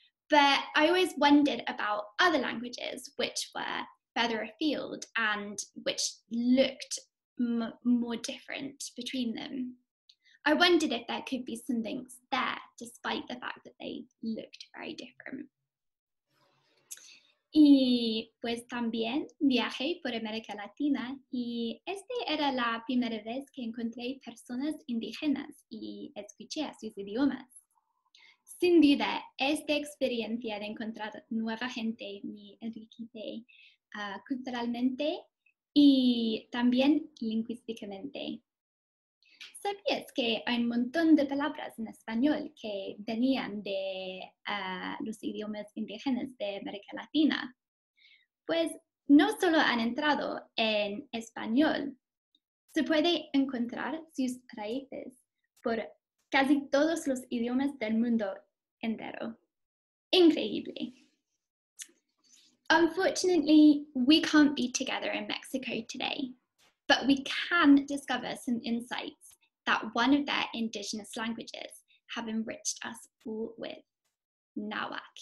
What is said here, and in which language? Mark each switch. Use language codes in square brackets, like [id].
[en] But I always wondered about other languages which were further afield and which looked more different between them. I wondered if there could be some links there, despite the fact that they looked very different. [es] Y pues también viajé por América Latina y esta era la primera vez que encontré personas indígenas y escuché a sus idiomas. Sin duda, esta experiencia de encontrar nueva gente me enriquece culturalmente y también lingüísticamente. ¿Sabías que hay un montón de palabras en español que venían de los idiomas indígenas de América Latina? Pues no solo han entrado en español, se puede encontrar sus raíces por casi todos los idiomas del mundo entero. Increíble. [en] Unfortunately, we can't be together in Mexico today, but we can discover some insights that one of their indigenous languages have enriched us all with, Nahuatl.